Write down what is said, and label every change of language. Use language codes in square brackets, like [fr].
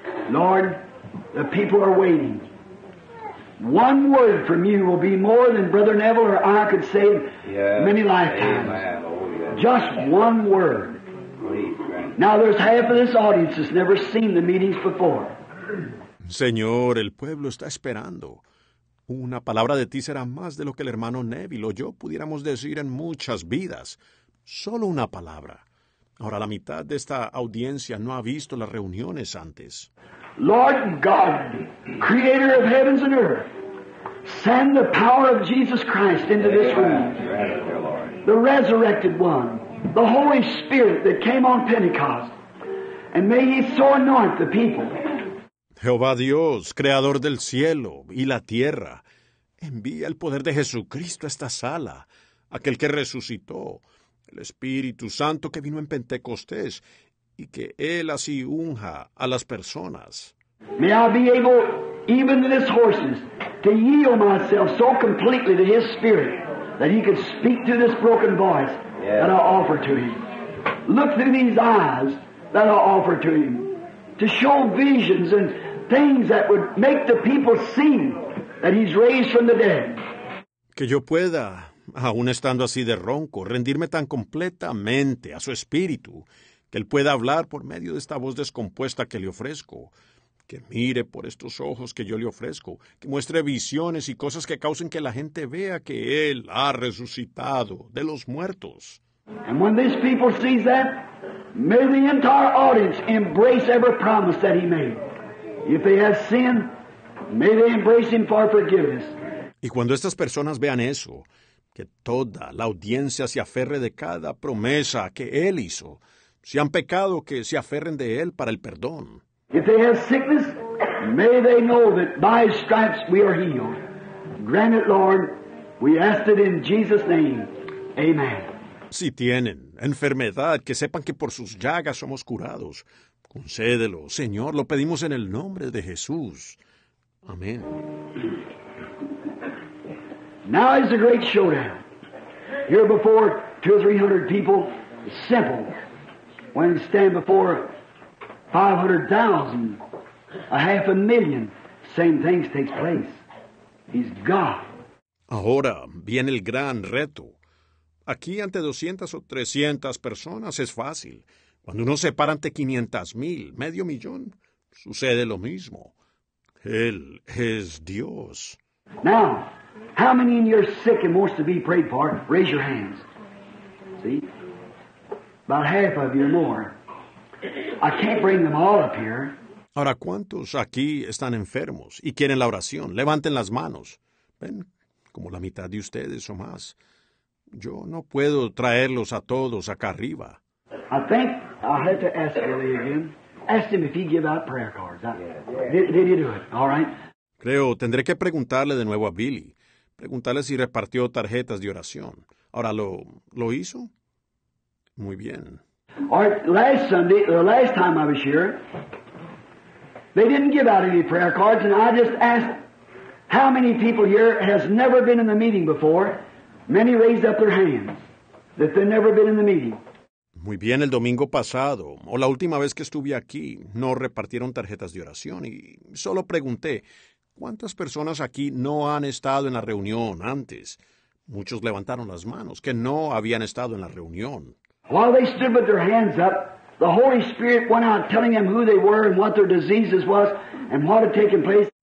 [en] Lord, the people are waiting. One word from you will be more than Brother Neville or I could say many lifetimes. Just one word. Now there's half of this audience that's never seen the meetings before. [es] Señor, el pueblo está esperando. Una palabra de ti será más de lo que el hermano Neville o yo pudiéramos decir en muchas vidas. Solo una palabra. Ahora, la mitad de esta audiencia no ha visto las reuniones antes. [en] Lord God, creator of heavens and earth, send the power of Jesus Christ into this room. The resurrected one, the Holy Spirit that came on Pentecost, and may he so anoint the people. [es] Jehová Dios, creador del cielo y la tierra, envía el poder de Jesucristo a esta sala, aquel que resucitó, el Espíritu Santo que vino en Pentecostés, y que Él así unja a las personas. [en] May I be able, even in his horses, to yield myself so completely to his spirit that he could speak through this broken voice that I offer to him. Look through these eyes that I offer to him to show visions and things that would make the people see that he's raised from the dead. [es] Que yo pueda, aun estando así de ronco, rendirme tan completamente a su espíritu, que él pueda hablar por medio de esta voz descompuesta que le ofrezco, que mire por estos ojos que yo le ofrezco, que muestre visiones y cosas que causen que la gente vea que él ha resucitado de los muertos. [en] And when these people see that, may the entire audience embrace every promise that he made. If they have sin, may they embrace him for forgiveness. [es] Y cuando estas personas vean eso, que toda la audiencia se aferre de cada promesa que él hizo, si han pecado, que se aferren de él para el perdón. [en] If they have sickness, may they know that by his stripes we are healed. Grant it, Lord. We ask it in Jesus' name. Amen. [es] Si tienen enfermedad, que sepan que por sus llagas somos curados. Concédelo, Señor, lo pedimos en el nombre de Jesús. Amén. [en] Now is a great showdown. Here before 200 or 300 people, simple. When stand before 500,000, a half a million, same things takes place. He's God. [es] Ahora viene el gran reto. Aquí ante 200 o 300 personas es fácil. Cuando uno se para ante 500,000, medio millón, sucede lo mismo. Él es Dios. [en] Now, how many in your sick and wants to be prayed for? Raise your hands. See? About half of you or more. I can't bring them all up here. [es] Ahora, ¿cuántos aquí están enfermos y quieren la oración? Levanten las manos. Ven, como la mitad de ustedes o más. Yo no puedo traerlos a todos acá arriba. [en] I think I'll have to ask Billy again. Ask him if he give out prayer cards. Did he do it? All right. [es] Creo, tendré que preguntarle de nuevo a Billy. Preguntarle si repartió tarjetas de oración. Ahora, ¿lo hizo? Muy bien. [en] All right, last Sunday, the last time I was here, they didn't give out any prayer cards, and I just asked how many people here has never been in the meeting before. Many raised up their hands that they've never been in the meeting. [es] Muy bien, el domingo pasado, o la última vez que estuve aquí, no repartieron tarjetas de oración, y solo pregunté, ¿cuántas personas aquí no han estado en la reunión antes? Muchos levantaron las manos, que no habían estado en la reunión. [en] While they stood with their hands up, the Holy Spirit went out telling them who they were and what their diseases was and what had taken place.